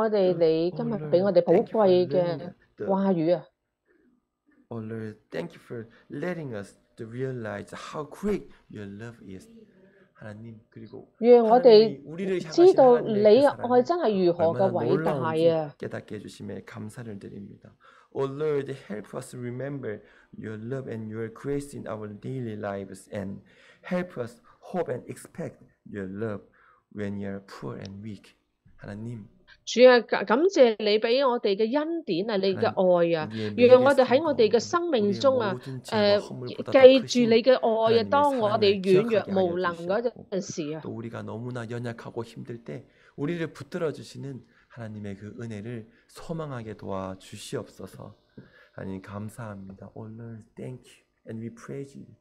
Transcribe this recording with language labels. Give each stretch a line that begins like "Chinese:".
Cantonese: 感謝上帝，你俾我哋，你今日俾我哋寶貴嘅話語。
English: Oh Lord, thank you for letting us to realize how great your love is.
Korean: 하나님 그리고
Cantonese: 愿我哋知道你爱真系如何嘅伟大啊！
Korean: 깨닫게 해주심에 감사를 드립니다.
English: Oh Lord, help us remember your love and your grace in our daily lives, and help us hope and expect your love when you are poor and weak.
Korean: 하나님
Cantonese: 主啊，感谢你俾我哋嘅恩典啊，你嘅爱啊，让我哋喺我哋嘅生命中啊，记住你嘅爱啊。当我哋软弱无能嗰阵时啊，
Korean: 또 우리가 너무나 연약하고 힘들 때, 우리를 붙들어 주시는 하나님의 그 은혜를 소망하게 도와 주시옵소서. 하나님 감사합니다.
English: Oh Lord, thank you, and we praise you.